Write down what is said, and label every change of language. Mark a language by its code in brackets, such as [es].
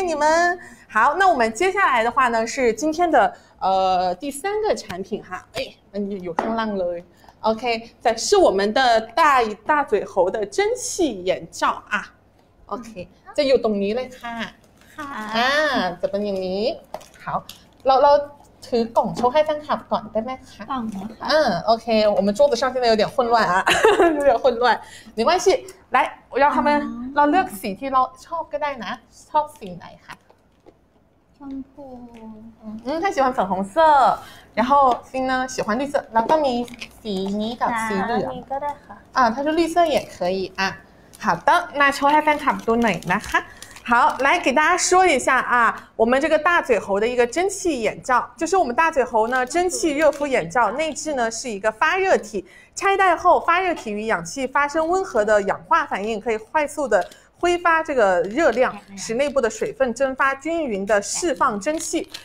[zh] 你们好那我们接下来的话呢是今天的第三个产品哈哎有声浪了 OK 再是我们的大嘴猴的蒸汽眼罩啊 OK 这又懂你了哈啊 [th] จะเป็นอย่างนี้ [zh] 好 [th] เราถือกล่องโชว์ให้แฟนคลับก่อนได้ไหมคะ กล่อง [zh] โอเค我们桌子上现在有点混乱啊有点混乱没关系来我让他们 [th] เราเลือกสีที่เราชอบก็ได้นะชอบสีไหนคะ ชมพู [zh] 他喜欢粉红色然后心呢喜欢绿色 [th] แล้วก็มีสีนี้กับสีเหลือง นี้ก็ได้ค่ ะ [zh] 他说绿色也可以啊好的那 [th] โชว์ให้แฟนคลับดูหน่อยนะคะ [zh] 好来给大家说一下啊我们这个大嘴猴的一个蒸汽眼罩就是我们大嘴猴呢蒸汽热敷眼罩内置呢是一个发热体拆戴后发热体与氧气发生温和的氧化反应可以快速的挥发这个热量使内部的水分蒸发均匀的释放蒸汽